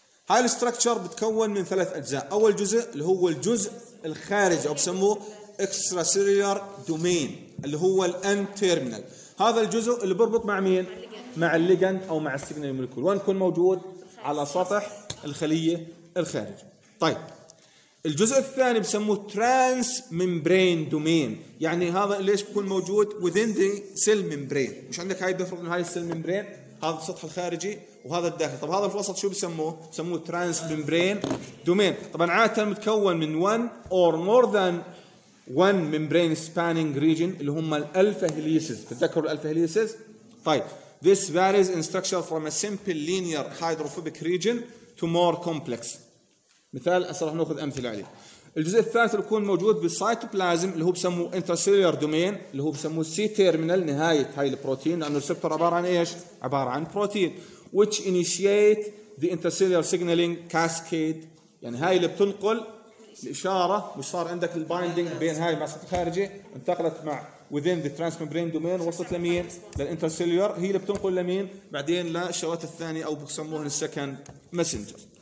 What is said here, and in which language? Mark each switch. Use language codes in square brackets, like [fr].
[ar] هاي الstructure بتكون من ثلاث أجزاء. أول جزء اللي هو الجزء الخارجي أو بسموه extracellular domain اللي هو N-terminal. هذا الجزء اللي بربط مع مين؟ مع الليجند أو مع signaling molecule. وين يكون موجود؟ على سطح الخلية الخارج. طيب الجزء الثاني بسموه ترانس ميمبرين دومين، يعني هذا ليش بيكون موجود [en] within the cell membrane. [ar] مش عندك هاي الدفرق من هاي السيل ميمبرين، هذا السطح الخارجي وهذا الداخل. طب هذا في الوسط شو بسموه؟ بسموه ترانس ميمبرين دومين. طبعا عادة متكون من [en] one or more than one membrane spanning region [ar] اللي هم الألفا هليسز، تتذكروا الألفا هليسز؟ طيب [en] this varies in structure from a simple linear hydrophobic region to more complex. [ar] مثال أصرح نأخذ أمثلة عليه. الجزء الثالث اللي يكون موجود بالسيتوبلازم اللي هو بسموه انترسيلير دومين، اللي هو بسموه سي تيرمينال، نهاية هاي البروتين، لأنه الريسبتور عبارة عن إيش؟ عبارة عن بروتين [en] which initiate the intercellular signaling cascade، [ar] يعني هاي اللي بتنقل الإشارة، مش صار عندك البايندينج بين هاي مع السطح الخارجي، انتقلت مع [en] within the transmembrane domain [ar] وصلت لمين؟ للانترسيلير، هي اللي بتنقل لمين؟ بعدين للشوات الثاني أو بسموه السكند مسنجر.